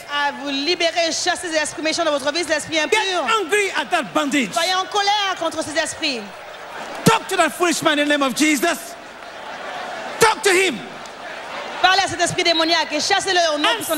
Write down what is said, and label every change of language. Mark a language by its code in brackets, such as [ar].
[fr] À vous libérer, chasser ces esprits méchants de votre vie, ces esprits impurs. [en] Get angry at that bandage. [fr] Soyez en colère contre ces esprits. [en] Talk to that foolish man in the name of Jesus. Talk to him. [fr] Parlez à cet esprit démoniaque et chassez-le au nom de son